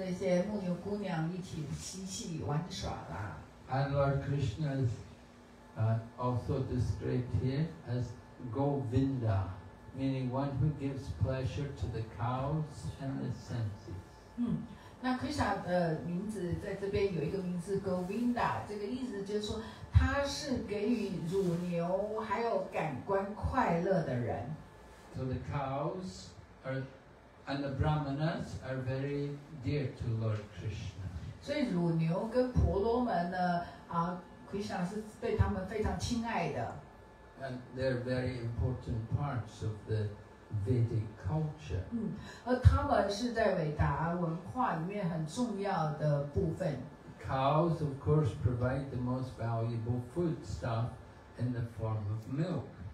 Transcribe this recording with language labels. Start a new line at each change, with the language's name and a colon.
Chinese: 他可以在文达文呢，每天跟牧牛童们呢一起出去放牛游玩呐，跟这些牧牛姑娘一起嬉戏玩耍啦。
English: And Lord Krishna is also described here as Govinda, meaning one who gives pleasure to the cows and the senses.
Chinese: 那 Krishna 的名字在这边有一个名字 Govinda， 这个意思就是说。他是给予乳牛还有感官快乐的人。
English: So the cows are, and the brahmanas are very dear to Lord Krishna.
Chinese: 所以乳牛跟婆罗门呢， Krishna 是对他们非常亲爱的。
English: And they're very important parts of the Vedic culture.
Chinese: 而他们是在伟达文化里面很重要的部分。
English: Cows, of course, provide the most valuable foodstuff in the form of milk.